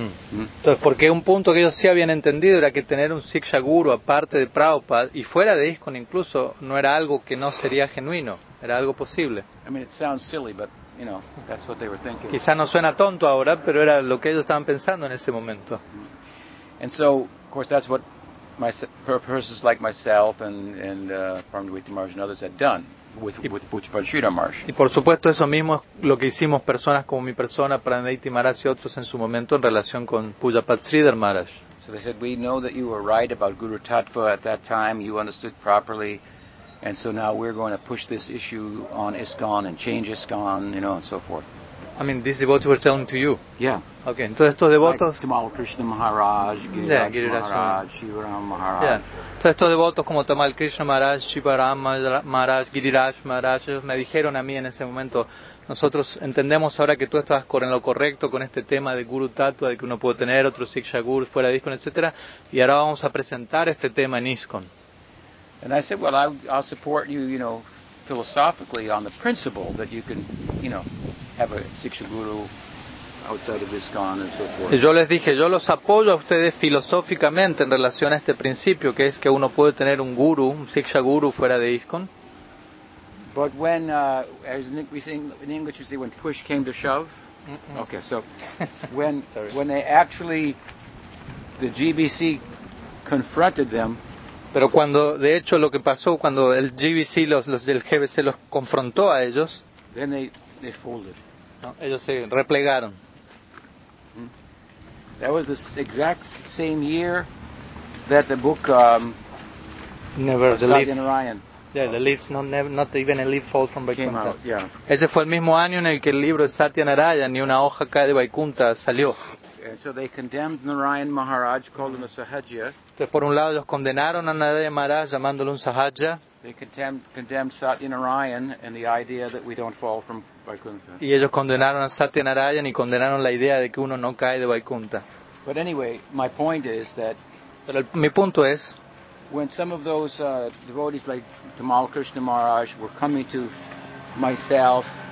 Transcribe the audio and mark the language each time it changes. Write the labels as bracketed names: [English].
[Spanish] Entonces, porque un punto que ellos sí habían entendido era que tener un siksha guru aparte de Prabhupada y fuera de ISKCON incluso no era algo que no sería genuino, era algo posible. [English] I mean, it sounds silly, but you know, that's what they were thinking. [Spanish] Quizá no suena tonto ahora, pero era lo que ellos estaban pensando en ese momento. [English] And so, of course, that's what persons like myself and Paramahansa Maharaj and others had done. With Bhuchipanchita Maharaj. [Spanish] Y por supuesto eso mismo es lo que hicimos personas como mi persona, Pranaiti Maharaj y otros en su momento en relación con Pujapat Sridhar Maharaj. [English] So they said, we know that you were right about Guru Tattva at that time, you understood properly, and so now we're going to push this issue on ISKCON and change ISKCON, you know, and so forth. I mean, these devotees were telling to you. Yeah. Okay, [Spanish] entonces estos devotos... [English] Like Tamal Krishna Maharaj, Giriraj Maharaj, Shivaram Maharaj. Yeah. [Spanish] Entonces estos devotos como Tamal Krishna Maharaj, Shivaram Maharaj, Giriraj Maharaj, ellos me dijeron a mí en ese momento, nosotros entendemos ahora que tú estás en lo correcto con este tema de Guru Tattva, de que uno puede tener otro Siksha Guru fuera de ISKCON, etc. Y ahora vamos a presentar este tema en ISKCON. [English] And I said, well, I'll support you, you know, philosophically on the principle that you can, you know, have a siksha guru outside of ISKCON and so forth. [Spanish] Yo les dije, yo los apoyo a ustedes filosóficamente en relación a este principio, que es que uno puede tener un guru, un siksha guru fuera de ISKCON. [English] But when, as we say in English, we say when push came to shove. Mm-mm. Okay, so when they actually, the GBC confronted them. [Spanish] Pero cuando, de hecho, lo que pasó cuando el GBC, los del GBC los confrontó a ellos, [English] then they folded. [Spanish] No, ellos se replegaron. [English] That was the exact same year that the book Never the Leaf in Orion. Yeah, the leaves not even a leaf falls from Vaikuntha. Came out, yeah. [Spanish] Ese fue el mismo año en el que el libro de Satyanarayan, ni una hoja cae de Vaikuntha, salió. [English] And so they condemned Narayan Maharaj, called him a Sahajya. [Spanish] Entonces, por un lado, ellos condenaron a Narayan Maharaj, llamándolo un Sahajya. [English] They condemned Satyanarayan and the idea that we don't fall from Vaikuntha. [Spanish] Y ellos condenaron a Satyanarayan y condenaron la idea de que uno no cae de Vaikuntha. [English] But anyway, my point is that. [Spanish] Pero mi punto es. [English] When some of those devotees like Tamal Krishna Maharaj were coming to myself.